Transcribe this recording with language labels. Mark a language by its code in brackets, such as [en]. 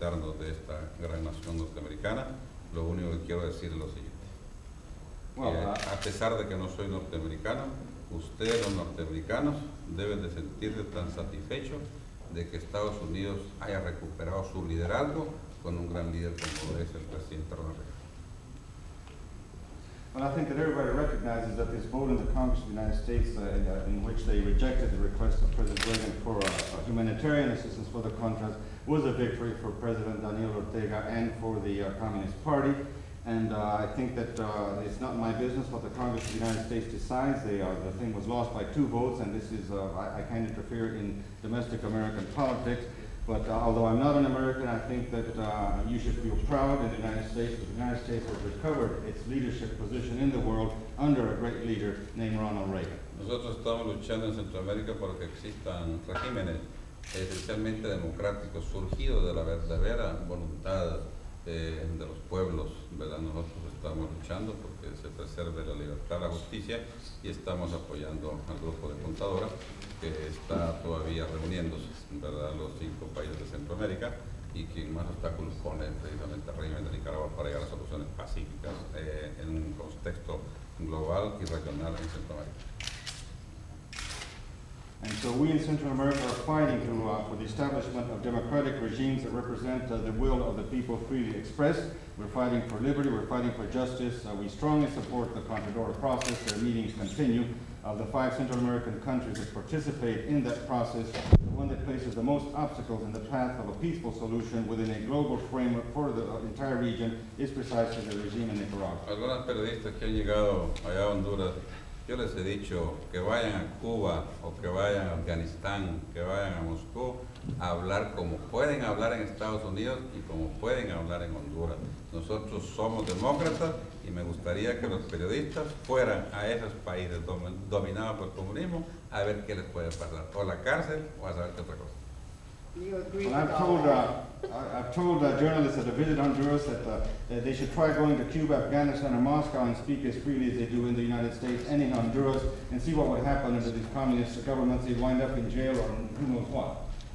[es] felicitarnos de esta gran nación norteamericana. Lo único que quiero decir es lo siguiente. Well, a pesar de que no soy norteamericano, ustedes los norteamericanos deben de sentirse tan satisfechos de que Estados Unidos haya recuperado su liderazgo con un gran líder como es el presidente Ronald. [en] Well, I think that everybody recognizes that this vote in the Congress of the United States in which they rejected the request of President Reagan for a humanitarian assistance for the Contras was a victory for President Daniel Ortega and for the Communist Party. And I think that it's not my business what the Congress of the United States decides. The thing was lost by two votes, and this is, I can't interfere in domestic American politics. But although I'm not an American, I think that you should feel proud in the United States. The United States has recovered its leadership position in the world under a great leader named Ronald Reagan. [es] Nosotros estamos luchando en Centroamérica para que existan regímenes esencialmente democráticos surgidos de la verdadera voluntad de los pueblos, ¿verdad? Nosotros estamos luchando porque se preserve la libertad, la justicia, y estamos apoyando al grupo de Contadora que está todavía reuniéndose, ¿verdad? Los cinco países de Centroamérica, y quien más obstáculos pone precisamente al régimen de Nicaragua para llegar a soluciones pacíficas en un contexto global y regional en Centroamérica. [en] And so we in Central America are fighting for the establishment of democratic regimes that represent the will of the people freely expressed. We're fighting for liberty, we're fighting for justice. We strongly support the Contadora process. Their meetings continue. Of the five Central American countries that participate in that process, the one that places the most obstacles in the path of a peaceful solution within a global framework for the entire region is precisely the regime in Nicaragua. [es] Algunos periodistas que han llegado allá a Honduras, yo les he dicho que vayan a Cuba o que vayan a Afganistán, que vayan a Moscú a hablar como pueden hablar en Estados Unidos y como pueden hablar en Honduras. Nosotros somos demócratas y me gustaría que los periodistas fueran a esos países dominados por el comunismo a ver qué les puede pasar, o la cárcel o a saber qué otra cosa. [en] Well, I've told journalists that have visited Honduras that they should try going to Cuba, Afghanistan, or Moscow and speak as freely as they do in the United States and in Honduras and see what would happen under these communist governments. They'd wind up in jail or who knows what.